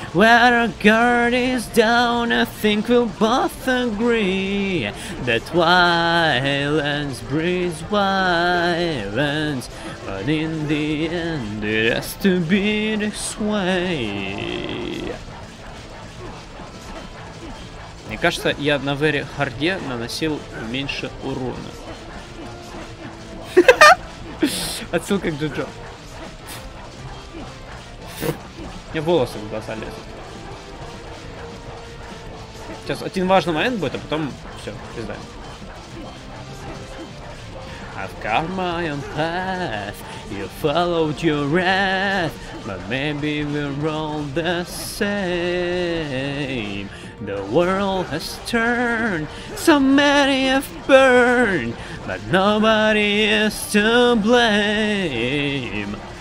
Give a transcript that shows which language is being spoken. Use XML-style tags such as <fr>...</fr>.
<en>Where our guard is down, I think we'll both agree that violence breeds violence, but in the end it has to be this way.</en> <ru>Мне кажется, я на Very Hard'е наносил меньше урона. Отсылка к Джо-Джо. Мне волосы в глаза лезут. Сейчас один важный момент будет, а потом все, пизда.</ru> <en>I've got my own path, you followed your wrath, but maybe we're all the same. The world has turned, so many have burned, but nobody is to blame.</en>